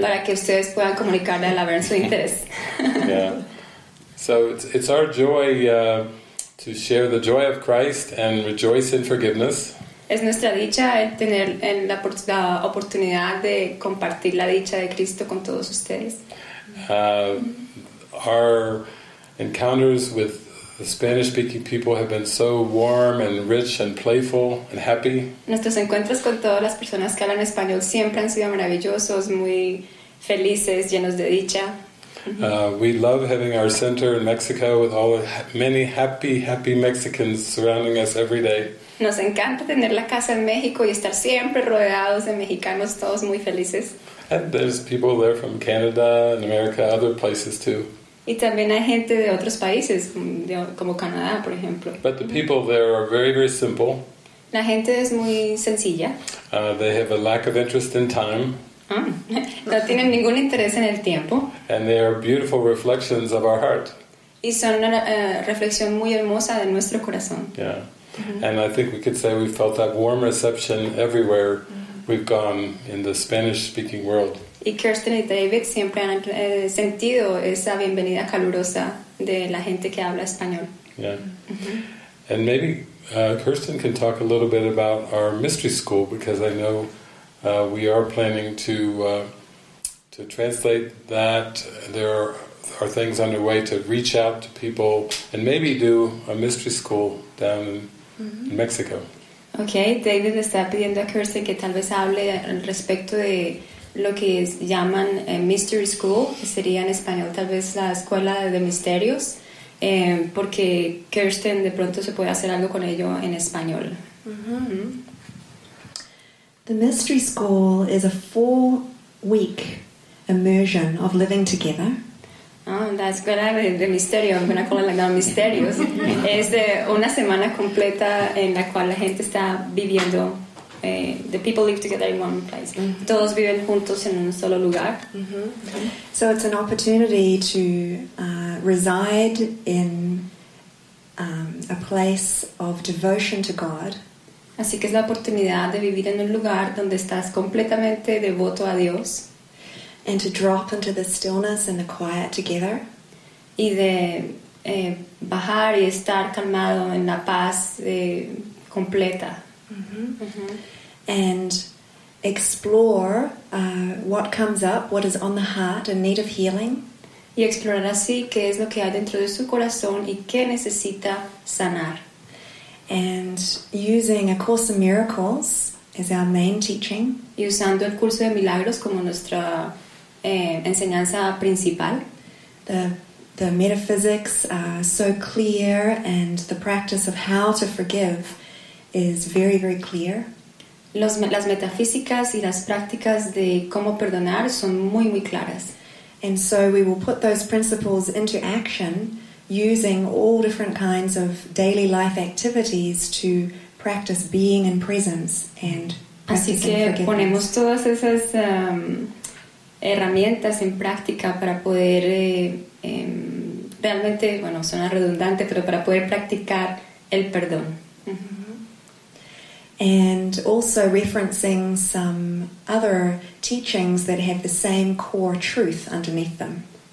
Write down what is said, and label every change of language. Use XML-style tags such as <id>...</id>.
<es>Para que ustedes puedan comunicarle a Laverne su interés.</es> <en>So it's our joy to share the joy of Christ and rejoice in forgiveness.</en> <es>Es nuestra dicha tener la oportunidad de compartir la dicha de Cristo con todos ustedes.</es> <en>Our encounters with the Spanish-speaking people have been so warm and rich and playful and happy.</en> <es>Nuestros encuentros con todas las personas que hablan español siempre han sido maravillosos, muy felices, llenos de dicha.</es> <en>We love having our center in Mexico with all the many happy, happy Mexicans surrounding us every day.</en> <es>Nos encanta tener la casa en México y estar siempre rodeados de mexicanos, todos muy felices.</es> <en>And there's people there from Canada and America, other places too.</en> <es>Y también hay gente de otros países, como Canadá, por ejemplo.</es> <en>But the people there are very, very simple.</en> <es>La gente es muy sencilla.</es> <en>They have a lack of interest in time.</en> <es>No tienen ningún interés en el tiempo.</es> <en>And they are beautiful reflections of our heart.</en> <es>Y son una reflexión muy hermosa de nuestro corazón.</es> <en>And I think we could say we felt that warm reception everywhere we've gone in the Spanish-speaking world.</en> <es>Y Kirsten y David siempre han sentido esa bienvenida calurosa de la gente que habla español.</es> <en>And maybe Kirsten can talk a little bit about our mystery school, because I know we are planning to translate that. There are things underway to reach out to people and maybe do a mystery school down in Mexico.</en> <es>Okay, David está pidiendo a Kirsten que tal vez hable al respecto de lo que llaman Mystery School, que sería en español tal vez la escuela de misterios, porque Kirsten de pronto se puede hacer algo con ello en español.</es> <en>The Mystery School is a 4-week immersion of living together.</en> <es>Ah, la escuela de misterio, buena escuela de los misterios, es de una semana completa en la cual la gente está viviendo.</es> <en>The people live together in one place. Mm-hmm.</en> <es>Todos viven juntos en un solo lugar.</es> <en>Mm-hmm. Mm-hmm. So it's an opportunity to reside in a place of devotion to God.</en> <es>Así que es la oportunidad de vivir en un lugar donde estás completamente devoto a Dios.</es> <en>And to drop into the stillness and the quiet together.</en> <es>Y de bajar y estar calmado en la paz completa. Mm-hmm. Mm-hmm.</es> <en>And explore what comes up, what is on the heart in need of healing.</en> <es>Y explorar así qué es lo que hay dentro de su corazón y qué necesita sanar.</es> <en>And using A Course in Miracles as our main teaching.</en> <es>Y usando el curso de milagros como nuestra enseñanza principal.</es> <en>The metaphysics are so clear, and the practice of how to forgive is very, very clear.</en> <es>Las metafísicas y las prácticas de cómo perdonar son muy, muy claras.</es> <en>And so we will put those principles into action using all different kinds of daily life activities to practice being in presence and practicing forgiveness.</en> <es>Así que ponemos todas esas herramientas en práctica para poder realmente, bueno, suena redundante, pero para poder practicar el perdón.</es> <en>And also referencing some other teachings that have the same core truth underneath them.</en>